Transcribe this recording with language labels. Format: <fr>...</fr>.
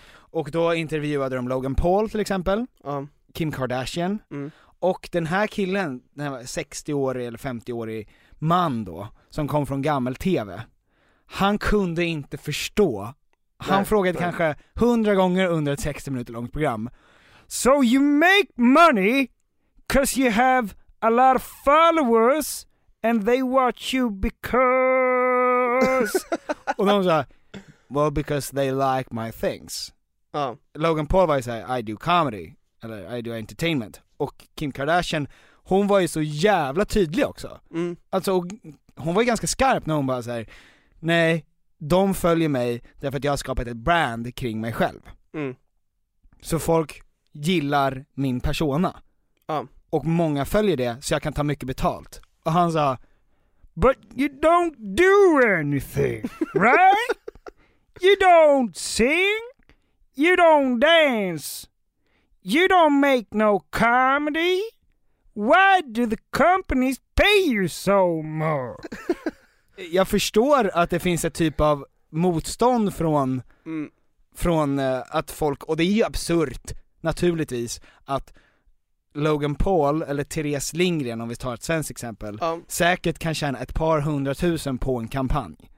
<sv>Och då intervjuade de Logan Paul till exempel. Ja. Kim Kardashian. Mm. Och den här killen, den här 60-årig eller 50-årig man då, som kom från gammal TV. Han kunde inte förstå. Han frågade kanske 100 gånger under ett 60 minuter långt program.</sv> <en>So you make money because you have a lot of followers and they watch you because...</en> <sv>Och de sa,</sv> <en>well, because they like my things.</en> <sv>Logan Paul var ju såhär,</sv> <en>I do comedy.</en> <sv>Eller</sv> <en>I do entertainment.</en> <sv>Och Kim Kardashian, hon var ju så jävla tydlig också. Mm. Alltså, hon var ju ganska skarp när hon bara såhär, nej, de följer mig därför att jag har skapat ett brand kring mig själv. Mm. Så folk gillar min persona. Ja. Och många följer det, så jag kan ta mycket betalt. Och han sa,</sv> <en>but you don't do anything, right? You don't sing, you don't dance, you don't make no comedy. Why do the companies pay you so much?</en> <sv>Jag förstår att det finns ett typ av motstånd från, från att folk, och det är ju absurt naturligtvis, att Logan Paul eller Therese Lindgren, om vi tar ett svenskt exempel, säkert kan tjäna ett par hundratusen på en kampanj.</sv>